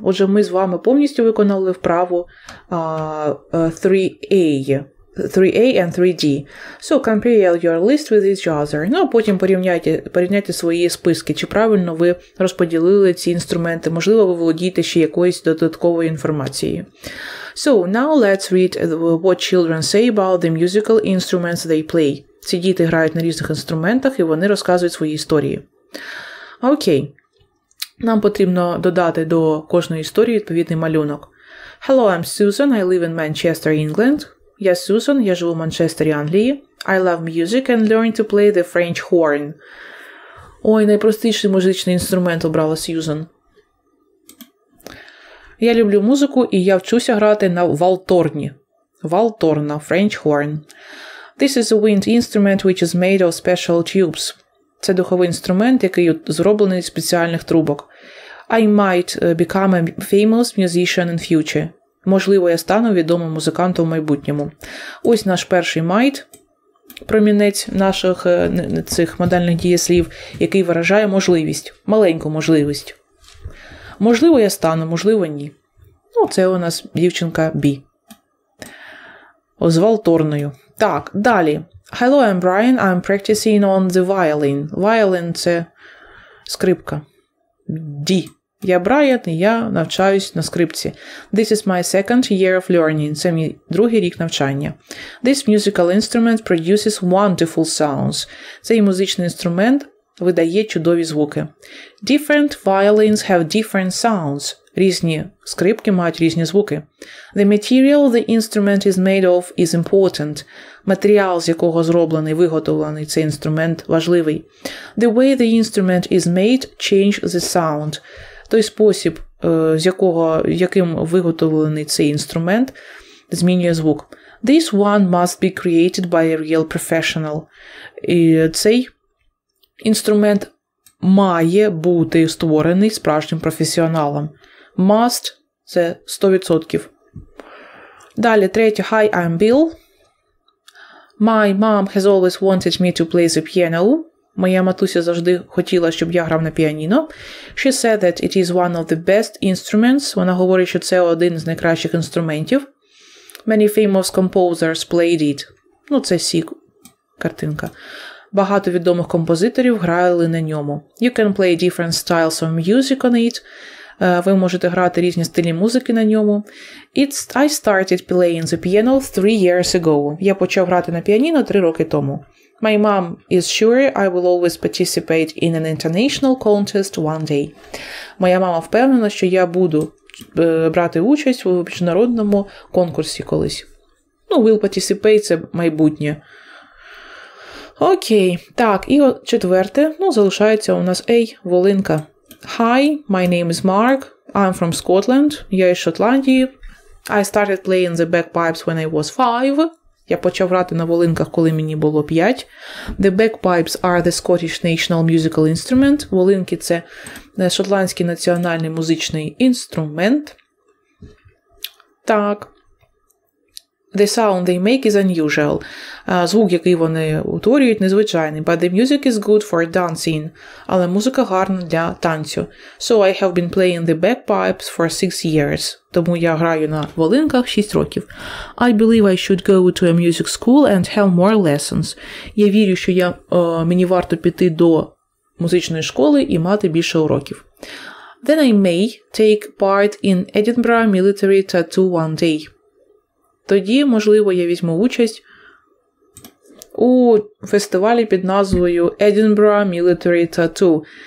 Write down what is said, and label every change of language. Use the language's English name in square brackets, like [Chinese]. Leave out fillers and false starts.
[Ukrainian] Отже, ми з вами повністю виконали вправу 3A. [English] 3A and 3D. So, compare your list with each other. [Ukrainian] Ну, а потім порівняйте свої списки. Чи правильно ви розподілили ці інструменти? Можливо, ви володієте ще якоюсь додатковою інформацією. [English] So, now let's read what children say about the musical instruments they play. [Ukrainian] Ці діти грають на різних інструментах, і вони розказують свої історії. Окей. Нам потрібно додати до кожної історії відповідний малюнок. [English] Hello, I'm Susan. I live in Manchester, England. [Ukrainian] Я Сюзан, я живу в Манчестері, Англії. [English] I love music and learn to play the French horn. [Ukrainian] Ой, найпростіший музичний інструмент обрала Сюзан. Я люблю музику і я вчуся грати на валторні. [English] Валторна, French horn. This is a wind instrument which is made of special tubes. [Ukrainian] Це духовий інструмент, який зроблений з спеціальних трубок. [English] I might become a famous musician in future. [Ukrainian] Можливо, я стану відомим музикантом в майбутньому. Ось наш перший might, промінець наших цих модальних дієслів, який виражає можливість, маленьку можливість. Можливо, я стану, можливо, ні. Ну, це у нас дівчинка B. З валторною. Так, далі. [English] Hello, I'm Brian, I'm practicing on the violin. [Ukrainian] Violin – це скрипка. D. Я Брайан, і я навчаюсь на скрипці. [English] This is my second year of learning. [Ukrainian] Це мій другий рік навчання. [English] This musical instrument produces wonderful sounds. [Ukrainian] Цей музичний інструмент видає чудові звуки. [English] Different violins have different sounds. [Ukrainian] Різні скрипки мають різні звуки. [English] The material the instrument is made of is important. [Ukrainian] Матеріал, з якого зроблений, виготовлений цей інструмент, важливий. [English] The way the instrument is made change the sound. [Ukrainian] Той спосіб, з якого, яким виготовлений цей інструмент, змінює звук. [English] This one must be created by a real professional. [Ukrainian] І цей інструмент має бути створений справжнім професіоналом. Must – це 100%. Далі, третє. [English] Hi, I'm Bill. My mom has always wanted me to play the piano. [Ukrainian] Моя матуся завжди хотіла, щоб я грав на піаніно. [English] She said that it is one of the best instruments. [Ukrainian] Вона говорить, що це один з найкращих інструментів. [English] Many famous composers played it. [Ukrainian] Ну, це сі картинка. Багато відомих композиторів грали на ньому. [English] You can play different styles of music on it. [Ukrainian] Ви можете грати різні стилі музики на ньому. [English] I started playing the piano 3 years ago. [Ukrainian] Я почав грати на піаніно 3 роки тому. [English] My mom is sure I will always participate in an international contest one day. [Ukrainian] Моя мама впевнена, що я буду брати участь у міжнародному конкурсі колись. Ну, [English] will participate [Ukrainian] – це майбутнє. Окей, так, і четверте, ну, залишається у нас ей, волинка. [English] Hi, my name is Mark, I'm from Scotland, [Ukrainian] я із Шотландії. [English] I started playing the bagpipes when I was 5. [Ukrainian] Я почав грати на волинках, коли мені було 5. [English] The bagpipes are the Scottish national musical instrument. [Ukrainian] Волинки – це шотландський національний музичний інструмент. [English] Так. The sound they make is unusual. [Ukrainian] Звук, який вони утворюють, незвичайний. [English] But the music is good for dancing. [Ukrainian] Але музика гарна для танцю. [English] So I have been playing the bagpipes for 6 years. [Ukrainian] Тому я граю на волинках 6 років. [English] I believe I should go to a music school and have more lessons. [Ukrainian] Я вірю, що я, мені варто піти до музичної школи і мати більше уроків. [English] Then I may take part in Edinburgh military tattoo one day. [Ukrainian] Тоді, можливо, я візьму участь у фестивалі під назвою Edinburgh Military Tattoo.